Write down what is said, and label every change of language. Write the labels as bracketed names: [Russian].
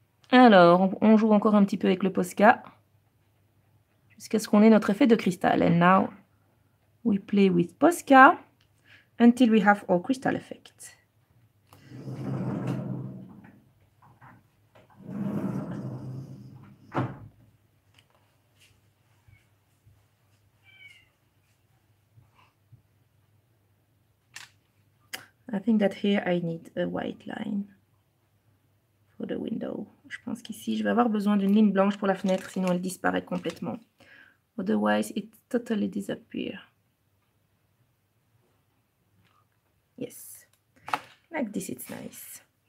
[French] Alors, on joue encore un petit peu avec le Posca jusqu'à ce qu'on ait notre effet de cristal. [English] And now, we play with Posca until we have our crystal effect. I think that here I need a white line. For the window. [French] Je pense qu'ici, je vais avoir besoin d'une ligne blanche pour la fenêtre, sinon elle disparaît complètement. [English] Otherwise, it totally disappears. Yes. Like this, it's nice.